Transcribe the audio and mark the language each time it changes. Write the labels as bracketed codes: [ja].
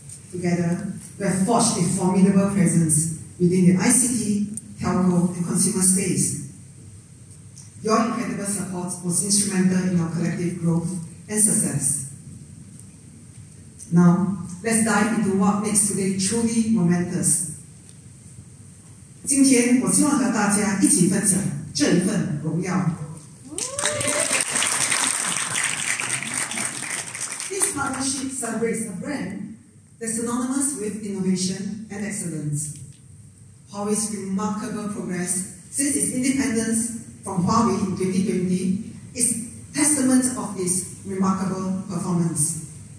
[en] Together, we have forged a formidable presence within the ICT, telco, and consumer space. Your incredible support was instrumental in our collective growth and success. Now, let's dive into what makes today truly momentous. [zh] 今天我希望和大家一起分享这一份荣耀。 [en] This partnership celebrates a brand that's synonymous with innovation and excellence. Huawei's remarkable progress since its independence from Huawei in 2020 is testament of its remarkable performance.